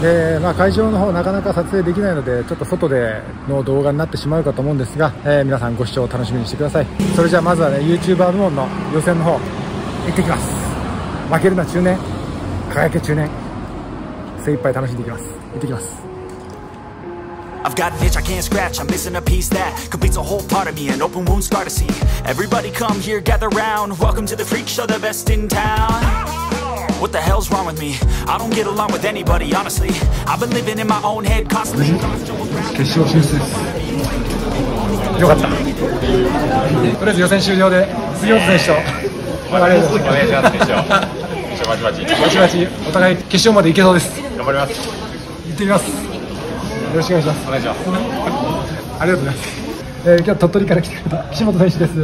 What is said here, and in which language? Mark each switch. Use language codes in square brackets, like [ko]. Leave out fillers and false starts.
[ja] で、まあ、会場の方なかなか撮影できないので、ちょっと外での動画になってしまうかと思うんですが、皆さんご視聴楽しみにしてください。それじゃあまずはね、 YouTuber 部門の予選の方行ってきます。負けるな中年、輝け中年、精一杯楽しんでいきます。行ってきます。 [en] I've got an itch I can't scratch, I'm missing a piece that completes a whole part of me, an open wound scar to see. Everybody come here, gather round, welcome to the freak show, the best in town. What the hell's wrong with me? I don't get along with anybody, honestly. I've been living in my own head constantly. [ja] 決勝進出です。よかった。とりあえず予選終了で、杉本選手と、ありがとうございます。バチバチバチバチ、お互い決勝までいけそうです。頑張ります。行ってみます。よろしくお願いします。お願いします。ありがとうございます。今日鳥取から来てくれた岸本選手です。